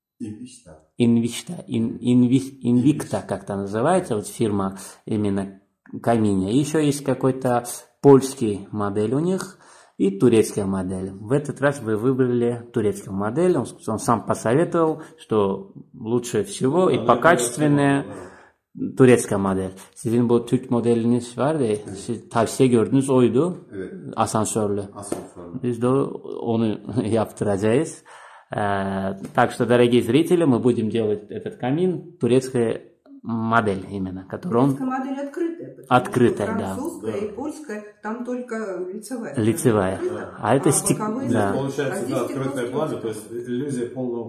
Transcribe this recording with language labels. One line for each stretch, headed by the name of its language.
Russian: Инвичта. Инвикта, как это называется, вот фирма именно камине. Еще есть какой-то польский модель у них и турецкая модель. В этот раз вы выбрали турецкую модель. Он сам посоветовал, что лучше всего и покачественная турецкая модель.
Crimean Tatar: Sizin bu Türk modeliniz var da, tavsiye gördünüz oydu. Evet. Asansörlü. Asansörlü. Biz de onu yaptıracağız.
Russian: Так что, дорогие зрители, мы будем делать этот камин турецкой модель именно, которую турецкая он... модель открытая. Открытая, да. Французская и польская, там только лицевая. Лицевая. Да. А это стекло. Да. Получается, а да, открытая пламя, то есть иллюзия полного